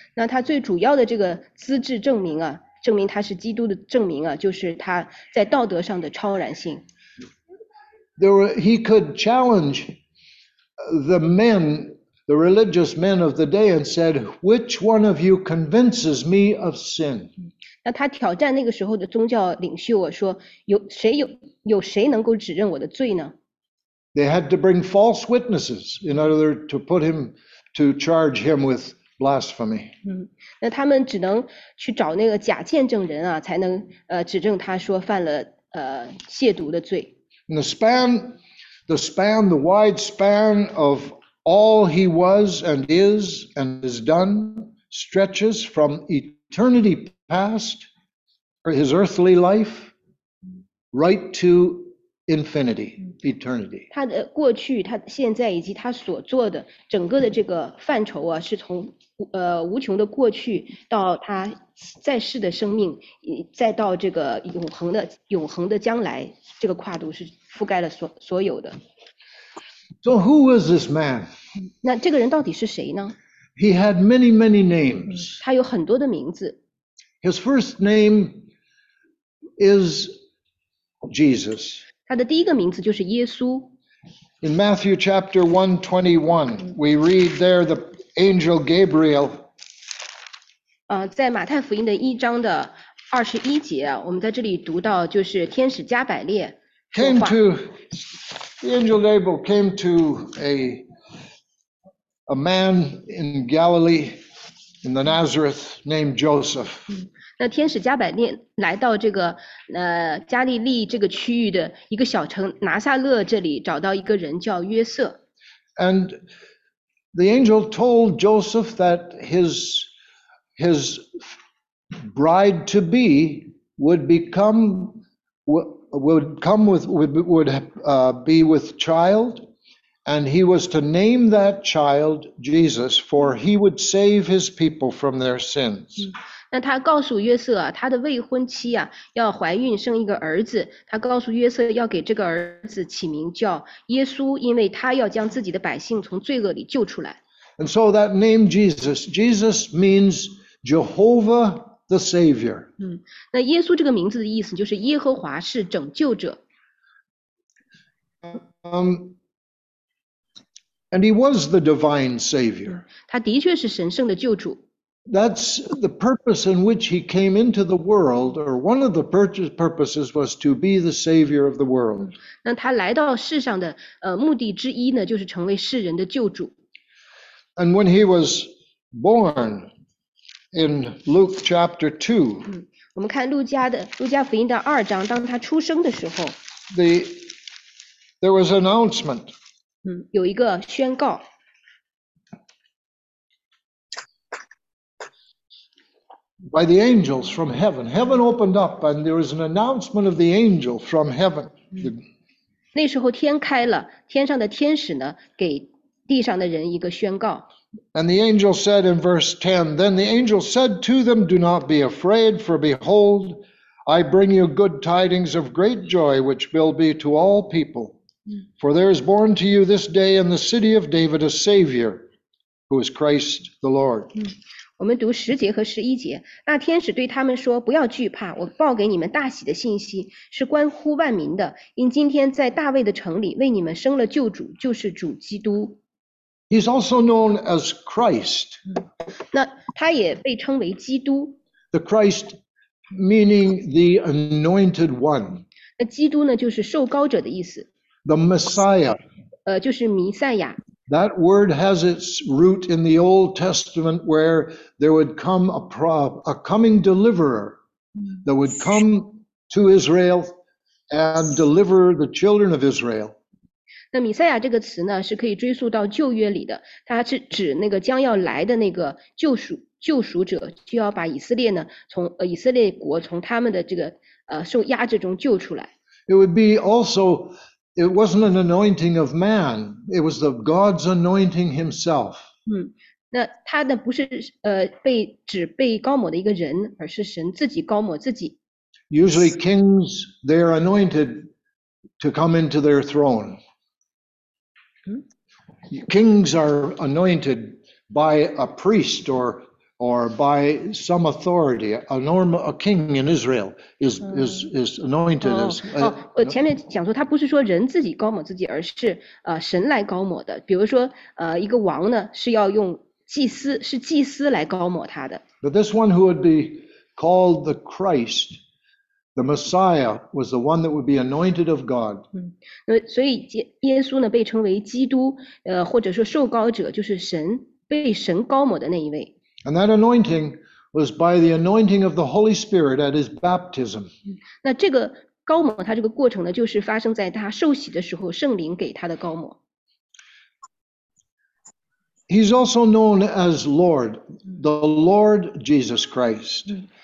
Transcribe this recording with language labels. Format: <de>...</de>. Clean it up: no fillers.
<zh>那他最主要的这个资质证明啊，证明他是基督的证明啊，就是他在道德上的超然性。</zh> <en>He could challenge the men, the religious men of the day, and said, "Which one of you convinces me of sin?"</en> <zh>那他挑战那个时候的宗教领袖啊，说有谁能够指认我的罪呢？</zh> <en>They had to bring false witnesses in order to put him to charge him with. Blasphemy.</en> <zh>那他们只能去找那个假见证人啊，才能指证他说犯了亵渎的罪。</zh> <en>And the wide span of all he was and is and has done stretches from eternity past, or his earthly life, right to infinity, eternity.</en> <zh>他的过去、他现在以及他所做的整个的这个范畴啊，是从无穷的过去到他在世的生命，再到这个永恒的将来，这个跨度是覆盖了所有的。</zh> <en>So who was this man?</en> <zh>那这个人到底是谁呢？</zh> <en>He had many, many names.</en> <zh>他有很多的名字。</zh> <en>His first name is Jesus.</en> <zh>他的第一个名字就是耶稣。</zh> <en>In Matthew chapter 1:21, we read there the angel Gabriel</en> <zh>在马太福音的一章的二十一节啊，我们在这里读到，就是天使加百列</zh> <en>，came to the angel Gabriel came to a man in Galilee in the Nazareth named Joseph。</en> <zh>那天使加百列来到这个加利利这个区域的一个小城拿撒勒这里，找到一个人叫约瑟。</zh> <en>And the angel told Joseph that his bride to be would be with child, and he was to name that child Jesus, for he would save his people from their sins.</en> <zh>那他告诉约瑟啊，他的未婚妻啊要怀孕生一个儿子，他告诉约瑟要给这个儿子起名叫耶稣，因为他要将自己的百姓从罪恶里救出来。</zh> <en>And so that name Jesus means Jehovah the Savior.</en> <zh>那耶稣这个名字的意思就是耶和华是拯救者。</zh> <en>And he was the divine Savior.</en> <zh>他的确是神圣的救主。</zh> <en>That's the purpose in which he came into the world, or one of the purposes was to be the Savior of the world.</en> <zh>那他来到世上的目的之一呢，就是成为世人的救主。</zh> <en>And when he was born in Luke chapter 2,</en> <zh>我们看路加福音的二章，当他出生的时候，</zh> <en>there was an announcement.</en> <zh>有一个宣告。</zh> <en>By the angels from heaven. Heaven opened up, and there was an announcement of the angel from heaven.</en> <zh>那时候天开了，天上的天使呢，给地上的人一个宣告。</zh> <en>And the angel said in verse 10, Then the angel said to them, Do not be afraid, for behold, I bring you good tidings of great joy, which will be to all people. For there is born to you this day in the city of David a Savior, who is Christ the Lord.</en> <zh>我们读十节和十一节，那天使对他们说，不要惧怕，我报给你们大喜的信息，是关乎万民的，因今天在大卫的城里为你们生了救主，就是主基督。</zh> <en>He's also known as Christ.</en> <zh>那他也被称为基督。</zh> <en>The Christ meaning the anointed one.</en> <zh>那基督呢，就是受膏者的意思。</zh> <en>The Messiah.</en> <zh>就是弥赛亚。</zh> <en>That word has its root in the Old Testament where there would come a coming deliverer that would come to Israel and deliver the children of Israel.</en> <zh>那弥赛亚这个词呢是可以追溯到旧约里的，它是指那个将要来的那个救赎者，就要把以色列呢从以色列国从他们的这个受压制中救出来。</zh> <en>It would be also,It wasn't an anointing of man. It was the God's anointing himself.</en> <zh>那他的不是被膏抹的一个人，而是神自己膏抹自己。</zh> <en>Usually kings, they are anointed to come into their throne. Kings are anointed by a priest or by some authority. A king in Israel is anointed as.</en> <zh>前面讲说他不是说人自己高抹自己，而是神来高抹的。比如说一个王呢是要用祭司来高抹他的。</zh> <en>But this one who would be called the Christ, the Messiah, was the one that would be anointed of God.</en> <zh>所以耶稣呢被称为基督，或者说受膏者，就是神被神高抹的那一位。</zh> <en>And that anointing was by the anointing of the Holy Spirit at his baptism.</en> <zh>那这个膏抹他这个过程呢，就是发生在他受洗的时候，圣灵给他的膏抹。</zh> <en>He's also known as Lord, the Lord Jesus Christ.</en>